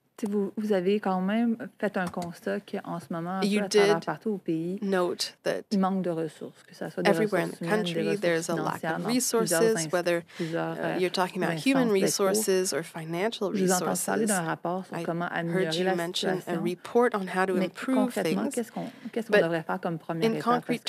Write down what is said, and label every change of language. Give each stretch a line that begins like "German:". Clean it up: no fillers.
French: Vous avez quand même fait un constat qu'en ce moment, à travers partout au pays, il manque de ressources, que ce soit des ressources humaines, des ressources financières,
English: you're talking about human resources or financial resources.
French: J'ai entendu parler d'un rapport sur comment améliorer la situation. Mais concrètement, qu'est-ce qu'on devrait faire comme première étape?